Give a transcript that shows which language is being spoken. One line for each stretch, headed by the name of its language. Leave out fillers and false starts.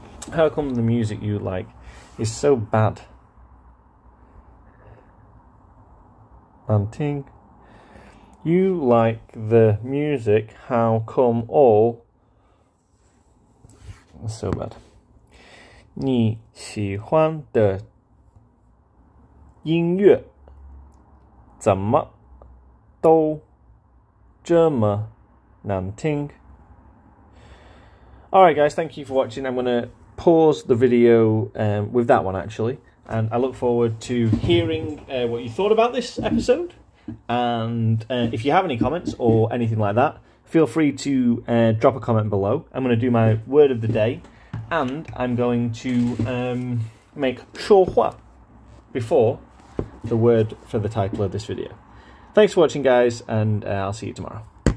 English: How come the music you like is so bad? Anting. You like the music, how come all so bad?
Chinese: 你喜欢的音乐怎么都这么难听?
English: Alright guys, thank you for watching. I'm going to pause the video with that one actually, and I look forward to hearing what you thought about this episode, and if you have any comments or anything like that, feel free to drop a comment below. I'm going to do my word of the day, and I'm going to make 说话 before the word for the title of this video. Thanks for watching guys, and I'll see you tomorrow.